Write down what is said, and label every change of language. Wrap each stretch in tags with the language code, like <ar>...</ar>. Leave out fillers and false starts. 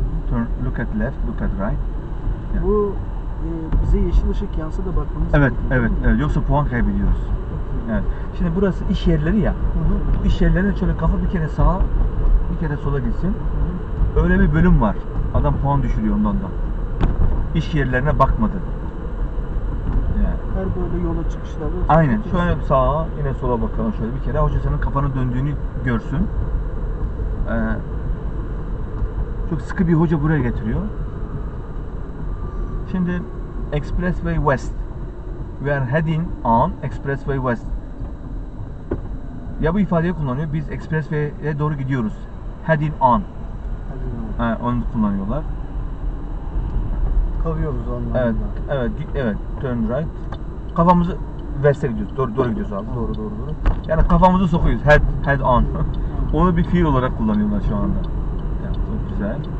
<en>Turn, look at left, look at right. Yeah.</en> <tr>Bu bize yeşil ışık yansa da bakmamız lazım. Evet. Yoksa puan kaybediyoruz. Okay. Evet. Şimdi burası iş yerleri ya. Bu iş yerlerinde şöyle kafa bir kere sağa, bir kere sola gitsin. Öyle bir bölüm var. Adam puan düşürüyor ondan da. İş yerlerine bakmadı. Her böyle yola çıkışlarda... Aynen. Şöyle sağa, yine sola bakalım şöyle bir kere. Hoca senin kafanın döndüğünü görsün. Çok sıkı bir hoca buraya getiriyor. Şimdi Expressway West.</tr> <en>We are heading on Expressway West.</en> <tr>Ya bu ifadeyi kullanıyor. Biz Expressway'e doğru gidiyoruz.</tr> <en>Heading on.</en> <tr>Onu kullanıyorlar. Kalıyoruz onlarla. Evet.</tr> <en>Turn right.</en> <tr>Kafamızı west'e gidiyoruz. Doğru gidiyoruz abi. Doğru. Yani kafamızı sokuyoruz.</tr> <en>Head on.</en> <tr>Onu bir fiil olarak kullanıyorlar şu anda. Yani çok güzel.</tr>